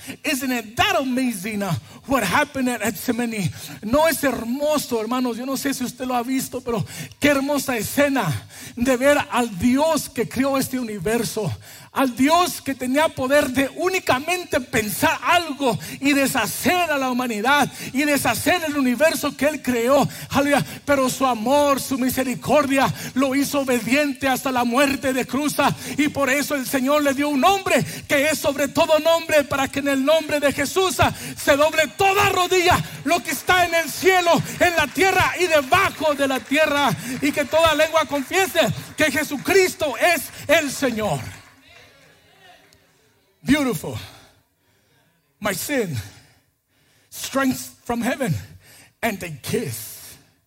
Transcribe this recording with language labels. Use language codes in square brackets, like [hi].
[en] Isn't it that amazing what happened at Getsemaní? [es] No es hermoso, hermanos. Yo no sé si usted lo ha visto, pero qué hermosa escena de ver al Dios que creó este universo. Al Dios que tenía poder de únicamente pensar algo y deshacer a la humanidad y deshacer el universo que Él creó. Aleluya. Pero su amor, su misericordia lo hizo obediente hasta la muerte de cruz. Y por eso el Señor le dio un nombre que es sobre todo nombre, para que en el nombre de Jesús se doble toda rodilla, lo que está en el cielo, en la tierra y debajo de la tierra, y que toda lengua confiese que Jesucristo es el Señor. [en] Beautiful. My sin, strength from heaven, and a kiss.